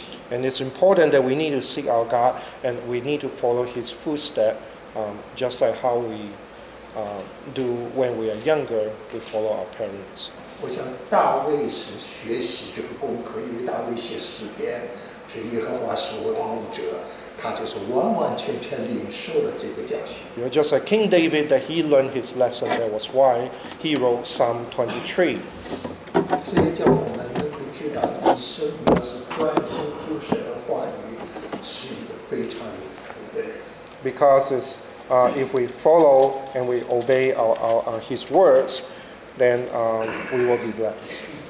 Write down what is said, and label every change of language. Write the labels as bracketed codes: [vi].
[en] And it's important that we need to seek our God and we need to follow his footsteps. Just like how we do when we are younger, we follow our parents. [zh] 我想大卫是学习这个功课，因为大卫写诗篇，是耶和华是我的牧者，他就是完完全全领受了这个教训。 [en] You're just like King David, that he learned his lesson. That was why he wrote Psalm 23. [zh] 这也叫我们能够知道，一生要是专心听神的话语，是一个非常有福的人。 [en] Because it's if we follow and we obey his words, then we will be blessed.